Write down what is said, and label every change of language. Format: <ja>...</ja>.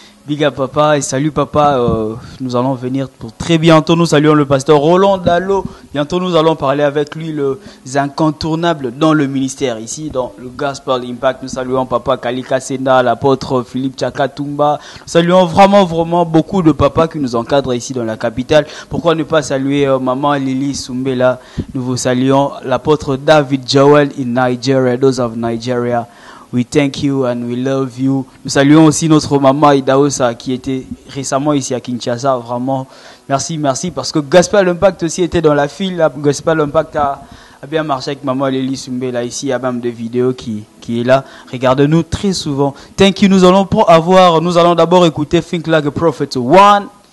<en>Big up</en> <fr>papa et salut papa, nous allons venir pour très bientôt, nous saluons le pasteur Roland Dallo, bientôt nous allons parler avec lui, les incontournables dans le ministère, ici dans le Gospel Impact, nous saluons papa Kalika Senda, l'apôtre Philippe Tchaka Tumba, nous saluons vraiment vraiment beaucoup de papas qui nous encadrent ici dans la capitale, pourquoi ne pas saluer maman Lily Sumbela, nous vous saluons l'apôtre David Joel</fr> <en>in Nigeria, those of Nigeria. We thank you and we love you.</en> <fr>Nous saluons aussi notre maman Idaosa qui était récemment ici à Kinshasa. Vraiment, merci, merci. Parce que Gospel Impact aussi était dans la file. Gospel Impact a bien marché avec maman Lily Sumbela ici. Il y a même des vidéos qui est là. Regarde-nous très souvent.</fr> <en>Thank you.</en> <fr>Nous allons d'abord écouter Think Like a Prophet 1.</fr>